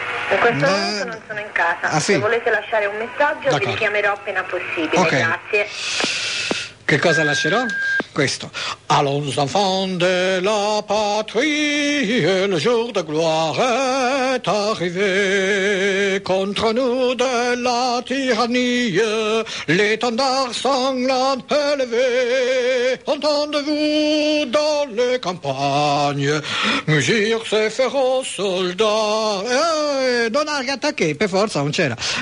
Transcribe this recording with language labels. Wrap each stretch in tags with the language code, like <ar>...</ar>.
<it>In questo momento non sono in casa. Ah, sì. Se volete lasciare un messaggio, d'accordo, vi richiamerò appena possibile. Okay. Grazie. Che cosa lascerò? Questo.</it> <fr>Allons enfants de la patrie, le jour de gloire est arrivé. Contre nous de la tyrannie, l'étendard sanglant élevé. Entendez-vous dans les campagnes, mugir ces féroces soldats.</fr> <it>Non ha attaqué, per forza non c'era.</it>